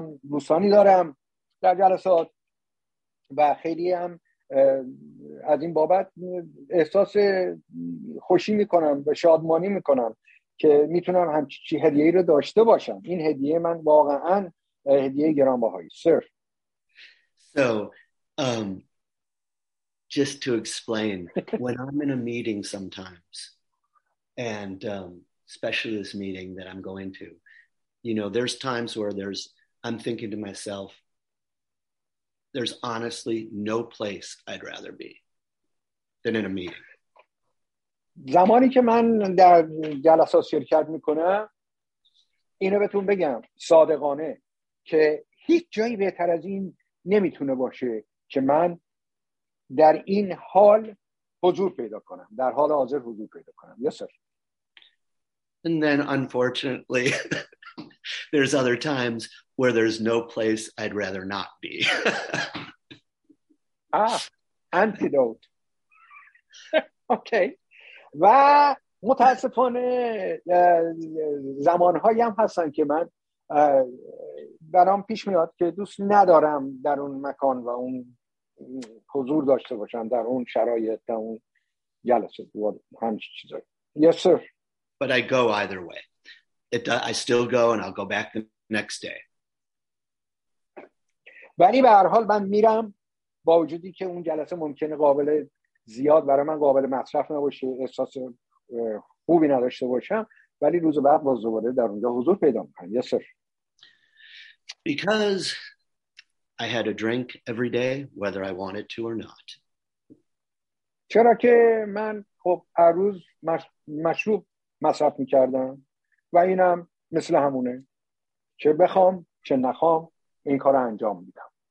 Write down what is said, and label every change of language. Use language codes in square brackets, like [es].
[fa] دوستانی دارم در جلسات و خیلی هم از این بابت احساس خوشی میکنم و شادمانی میکنم که میتونم همچی هدیه‌ای رو داشته باشم. این هدیه من واقعا هدیه گرانبهایی. [en] سر. So, just to explain, when I'm in a meeting sometimes, and especially this meeting that I'm going to, you know, there's times where I'm thinking to myself, there's honestly no place I'd rather be than in a meeting. [fa] زمانی که من در جلسات شرکت میکنم، اینو بهتون بگم صادقانه که هیچ جایی بهتر از این نمیتونه باشه که من در این حال حضور پیدا کنم، در حال حاضر حضور پیدا کنم. [en] Yes, sir. And then unfortunately there's other times where there's no place I'd rather not be. Ah, antidote. Okay. [fa] و متاسفانه زمانهایی هم هستن که من برام پیش میاد که دوست ندارم در اون مکان و اون حضور داشته باشم، در اون شرایط، در اون جلسه و همچی چیزایی. [en] Yes, sir. But I go either way. I still go and I'll go back the next day. [fa] ولی به هر حال من میرم با وجودی که اون جلسه ممکنه قابل زیاد برای من قابل مصرف نباشه، احساس خوبی نداشته باشم، ولی روز بعد باز دوباره در اونجا حضور پیدا میکنم. [en] Yes, sir. Because I had a drink every day, whether I wanted to or not. [fa] چرا که من خب هر روز مشروب مصرف میکردم و اینم مثل همونه، چه بخوام چه نخوام این کار رو انجام میدم.